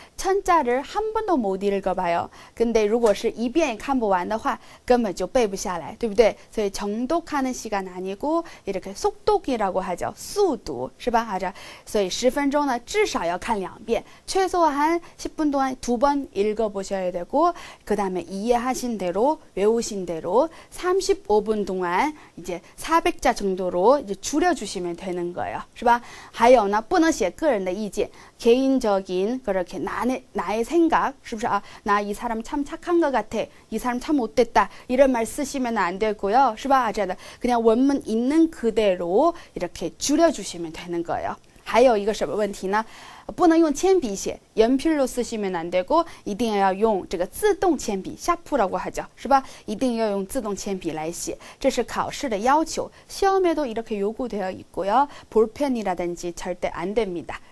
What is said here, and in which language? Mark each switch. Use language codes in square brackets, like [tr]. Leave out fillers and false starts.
[ko] 천자를한번도못읽어봐요근데 [zh] 如果是一遍也看不完的话根本就背不下来对不对所以 [ko] 정독하는시간아니고이렇게속독이라고하죠 [zh] 速读是吧 [ko] 아자 [zh] 所以10분钟呢至少要看两遍 [ko] 최소한10분동안두번읽어보셔야되고그다음에이해하신대로외우신대로35분동안이제 400자 정도로 이제 줄여주시면 되는 거예요. [zh] 是吧? [ko] 하여, 나, [zh] 不能 写 个人的意见. [ko] 개인적인, 그렇게, 나의 생각. [zh] 是不是? [ko] 아, 나이 사람 참 착한 것 같아. 이 사람 참 못됐다. 이런 말 쓰시면 안 되고요. [zh] 是吧? 아, 这样的. [ko] 그냥 원문 있는 그대로 이렇게 줄여주시면 되는 거예요. 하여, 이거 [zh] 什么 问题呢? 不能用铅笔写, [ko] 연필로 쓰시면 안 되고, [zh] 一定要用这个自动铅笔, [ko] 샤프라고 하죠. [zh] 是吧? 一定要用自动铅笔来写.这是考试的要求. [ko] 시험에도 이렇게 요구되어 있고요. 볼펜이라든지 절대 안 됩니다.